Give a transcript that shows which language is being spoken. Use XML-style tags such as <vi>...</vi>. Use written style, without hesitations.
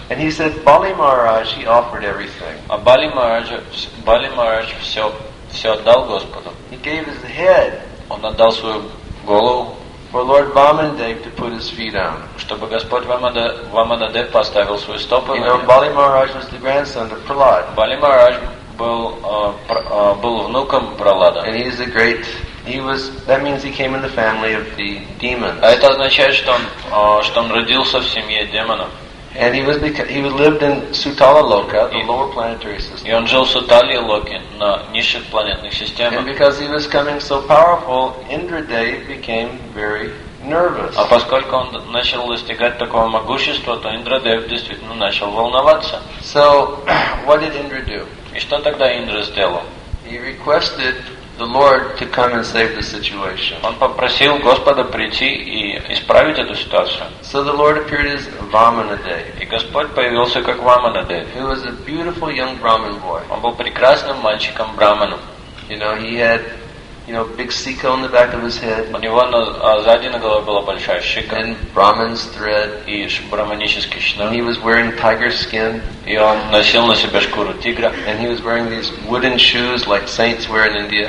<en>And he said, Bali Maharaj, he offered everything.</en> <ru>А Бали Махарадж все отдал Господу.</ru> <en>He gave his head.</en> <ru>Он отдал свою голову.</ru> <en>For Lord Vamadeva to put his feet on.</en> <ru>Чтобы Господь Вамададев поставил свои стопы на него.</ru> <en>You know, Bali Maharaj was the grandson of Prahlad.</en> <ru>Бали Махарадж был внуком Пралада.</ru> <en>And he is a great. He was. That means he came in the family of the demons.</en> <ru>А это означает, что он родился в семье демонов.</ru> <en>And he lived in Sutala Loka, the lower planetary system.</en> <ru>И он жил в Сутали Локе, на низших планетных системах.</ru> <en>And because he was coming so powerful, Indradev became very nervous.</en> <ru>А поскольку он начал достигать такого могущества, то Индрадев действительно начал волноваться.</ru> <en>So, what did Indra do?</en> <ru>И что тогда Индра сделал?</ru> <en>He requested the Lord to come and save the situation.</en> <ru>Он попросил Господа прийти и исправить эту ситуацию.</ru> <en>So the Lord appeared as Vamanadev.</en> <ru>И Господь появился как Vamanadev.</ru> <en>He was a beautiful young Brahmin boy.</en> <ru>Он был прекрасным мальчиком Брахманом.</ru> <en>You know, he had, you know, big sikha on the back of his head.</en> <ru>У него сзади на голове была большая шика.</ru> <en>And Brahmin's thread.</en> <ru>И брахманический шнур.</ru> <en>He was wearing tiger skin.</en> <ru>И он носил на себе шкуру тигра.</ru> <en>And he was wearing these wooden shoes like saints wear in India.</en>